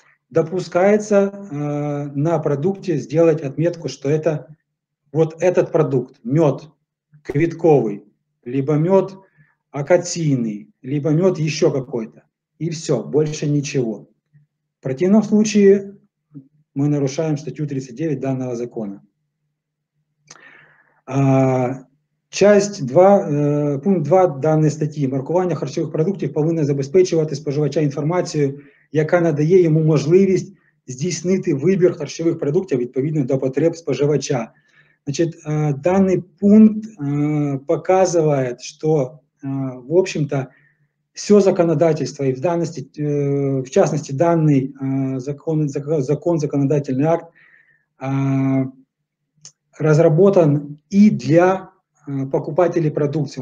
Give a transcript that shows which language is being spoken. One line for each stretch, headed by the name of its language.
Russian: Допускается на продукте сделать отметку, что это вот этот продукт, мед квитковый, либо мед акацийный, либо мед еще какой-то. И все, больше ничего. В противном случае мы нарушаем статью 39 данного закона. Часть 2, пункт 2 данной статьи.
Ukrainian: Маркування харчових продуктів повинно забезпечувати споживача інформацією, яка надає йому можливість здійснити вибір харчових продуктів відповідно до потреб споживача.
Russian: Значит, данный пункт показывает, что, в общем-то, все законодательство, и в данности, в частности, данный законодательный акт разработан и для покупателей продукции.